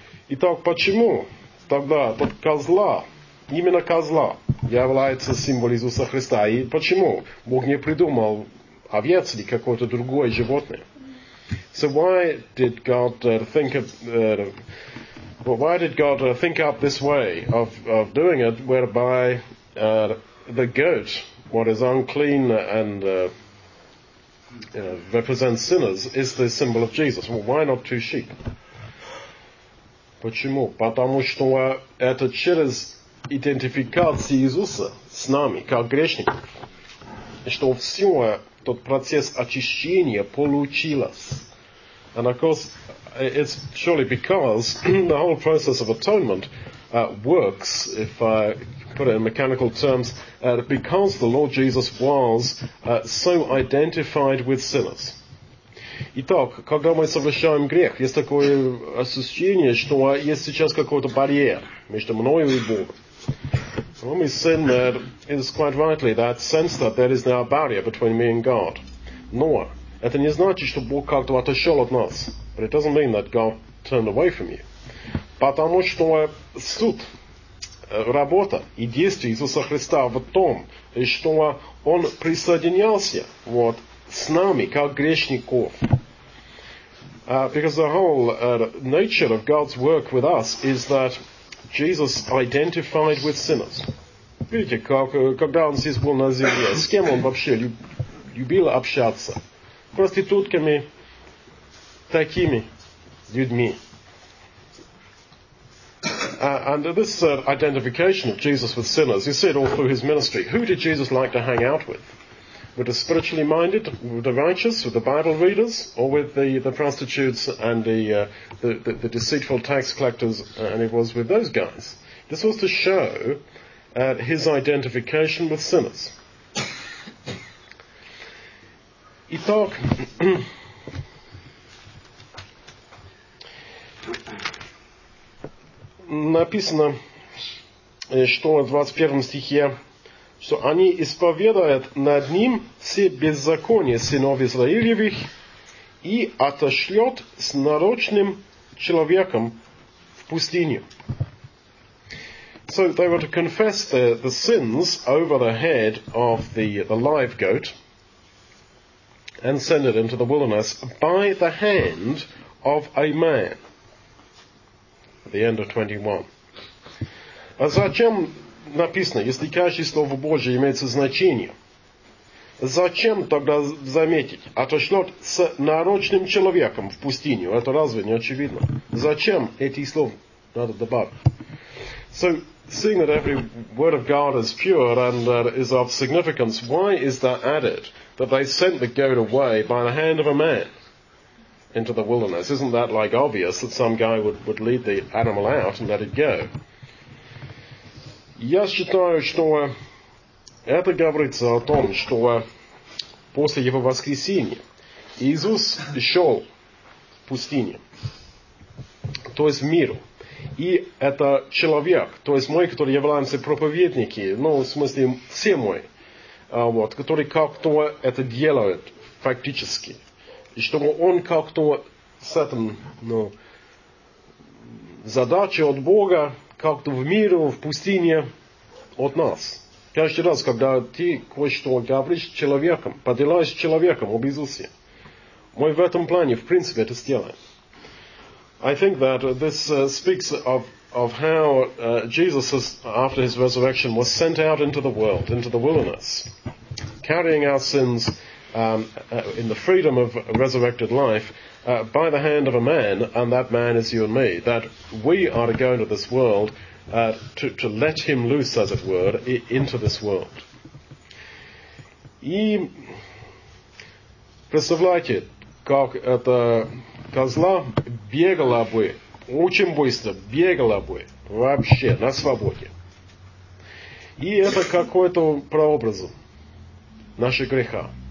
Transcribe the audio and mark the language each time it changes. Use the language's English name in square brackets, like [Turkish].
[Russian] Итак, почему тогда под козла, именно козла, является символ Иисуса Христа? И почему Бог не придумал овец или какое-то другое животное? [English] So why did God think up this way of doing it, whereby the goat, what is unclean and represents sinners, is the symbol of Jesus? Well, why not two sheep? [Russian] Почему? Потому что это через идентификацию Иисуса с нами как грешников, что все тот процесс очищения получилось. [English] And of course, it's surely because the whole process of atonement works, if I put it in mechanical terms, because the Lord Jesus was so identified with sinners. [Russian] Итак, когда мы совершаем грех, есть такое ощущение, что есть сейчас какой-то барьер между мною и Богом. [English] When we sin, there is quite rightly that sense that there is now a barrier between me and God. Noah. [Russian] Это не значит, что Бог как-то отошел от нас. [English] But it doesn't mean that God turned away from you. [Russian] Потому что суд, работа и действие Иисуса Христа в том, что Он присоединялся вот, с нами, как грешников. [English] Because the whole nature of God's work with us is that Jesus identified with sinners. [Russian] Видите, когда Он здесь был на земле, с кем Он вообще любил общаться? Проститутками, такими людьми. [English] And this identification of Jesus with sinners, you see it all through his ministry. Who did Jesus like to hang out with? With the spiritually minded, with the righteous, with the Bible readers, or with the prostitutes and the deceitful tax collectors, and it was with those guys. This was to show his identification with sinners. [Russian] Итак, написано, что в 21 стихе, что они исповедуют над ним все беззакония сынов Израилевых и отошлет с нарочным человеком в пустыню. [English] So they were to confess the sins over the head of the live goat and send it into the wilderness by the hand of a man. At the end of 21. [Russian] А зачем написано, если каждое слово Божие имеет значение? Зачем тогда заметить, отошлет с нарочным человеком в пустыню? Это разве не очевидно? Зачем эти слова надо добавить? [English] So, seeing that every word of God is pure and is of significance, why is that added, that they sent the goat away by the hand of a man into the wilderness? Isn't that like obvious that some guy would lead the animal out and let it go? [Russian] Я считаю, что это говорится о том, что после его воскресения Иисус шел в пустыню, то есть в миру. И это человек, то есть мы, которые являемся проповедниками, ну, в смысле, все мы, вот, которые как-то это делают фактически. И чтобы он как-то с этим, ну, задачей от Бога, как-то в миру, в пустыне от нас. Каждый раз, когда ты кое-что говоришь с человеком, поделаешь с человеком об Иисусе, мы в этом плане, в принципе, это сделаем. [English] I think that this speaks of how Jesus, after his resurrection, was sent out into the world, into the wilderness, carrying our sins in the freedom of resurrected life by the hand of a man, and that man is you and me, that we are to go into this world to let him loose, as it were, into this world. [Russian] И представляете, как это козла бегала бы, очень быстро бегала бы, вообще, на свободе. И это какой-то прообраз нашего греха.